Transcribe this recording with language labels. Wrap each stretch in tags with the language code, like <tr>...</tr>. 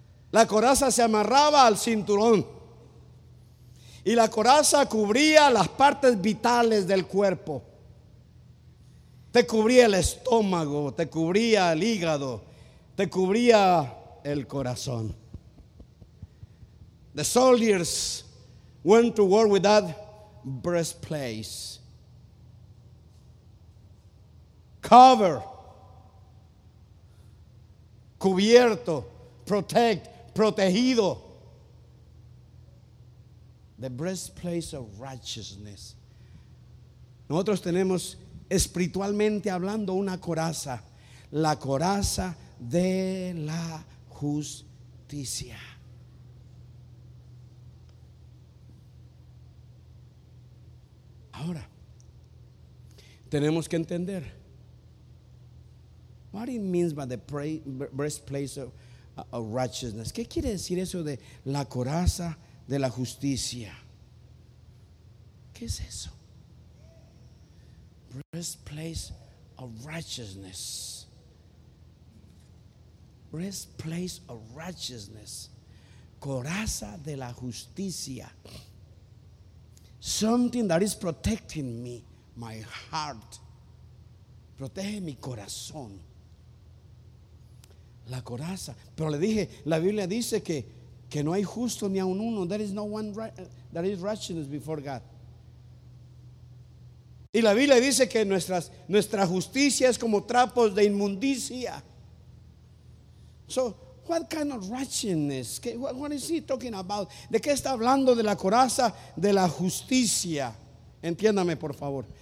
<es>La coraza se amarraba al cinturón. Y la coraza cubría las partes vitales del cuerpo. Te cubría el estómago, te cubría el hígado, te cubría el corazón.</es> <en>The soldiers went to war with that breastplate. Cover.</en> <es>Cubierto.</es> <en>Protect.</en> <es>Protegido.</es> <en>The breastplate of righteousness.</en> <es>Nosotros tenemos, espiritualmente hablando, una coraza. La coraza de la justicia. Ahora, tenemos que entender.</es> <en>What it means by the breastplate of righteousness.</en> <es>¿Qué quiere decir eso de la coraza de la justicia? ¿Qué es eso?</es> <en>Breastplate of righteousness. Breastplate of righteousness.</en> <es>Coraza de la justicia.</es> <en>Something that is protecting me, my heart.</en> <es>Protege mi corazón. La coraza. Pero le dije, la Biblia dice que no hay justo ni aun uno.</es> <en>There is no one that is righteous before God.</en> <es>Y la Biblia dice que nuestra justicia es como trapos de inmundicia. So,</es> <en>what kind of righteousness? What is he talking about?</en> <es>¿De qué está hablando? De la coraza de la justicia. Entiéndame, por favor.</es>